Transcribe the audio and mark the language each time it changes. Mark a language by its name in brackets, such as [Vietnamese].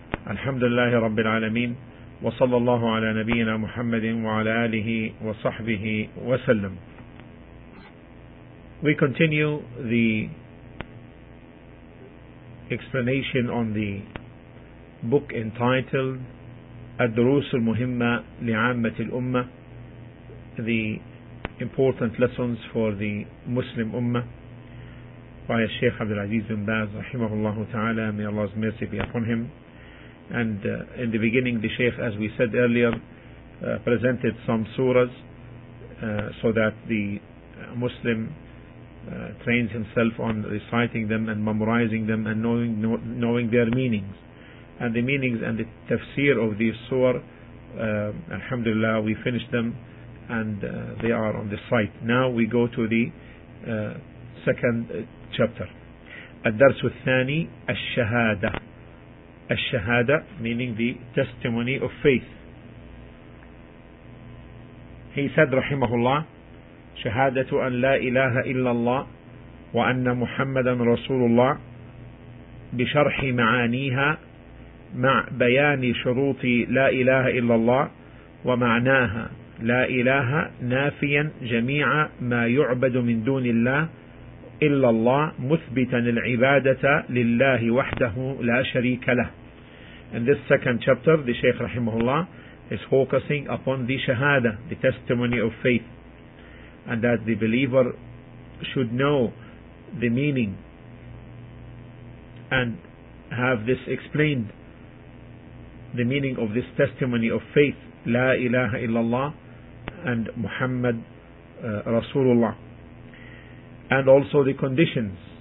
[Arabic] الحمد لله رب العالمين، وصلى الله على نبينا محمد وعلى آله وصحبه وسلم. [English] We continue the explanation on the book entitled الدروس المهمة لعامة الأمة، The Important Lessons for the Muslim Ummah by Sheikh Abdul Aziz bin Baz rahimahullah ta'ala, may Allah's mercy be upon him. And in the beginning, the Sheikh, as we said earlier, presented some surahs so that the Muslim trains himself on reciting them and memorizing them and knowing their meanings. And the meanings and the tafsir of these surahs, alhamdulillah, we finished them and they are on the site. Now we go to the second chapter. [Arabic] الدرس الثاني الشهادة. [English] الشهادة meaning the testimony of faith. He said [Arabic] رحمه الله شهادة أن لا إله إلا الله وأن محمدا رسول الله بشرح معانيها مع بيان شروط لا إله إلا الله ومعناها لا إله نافيا جميع ما يعبد من دون الله إلا الله مثبتا العبادة لله وحده لا شريك له. [English] In this second chapter, the Shaykh rahimahullah is focusing upon the shahada, the testimony of faith, and that the believer should know the meaning and have this explained, the meaning of this testimony of faith, [Arabic] لا إله إلا الله [English] and Muhammad Rasulullah, and also the conditions